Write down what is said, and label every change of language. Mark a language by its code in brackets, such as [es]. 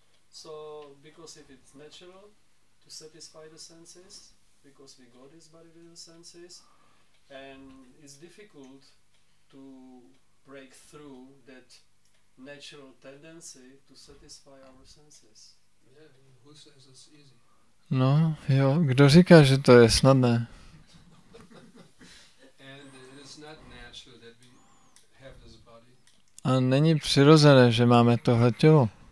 [en] So because if it's natural to satisfy the senses, because we got this body with the senses, and it's difficult to break through that natural tendency to satisfy our senses. Yeah, who says it's easy? [cs] No, jo, kdo říká, že to je snadné? [en] And it's not natural that we have this body. [cs] A není přirozené, že máme tohle tělo.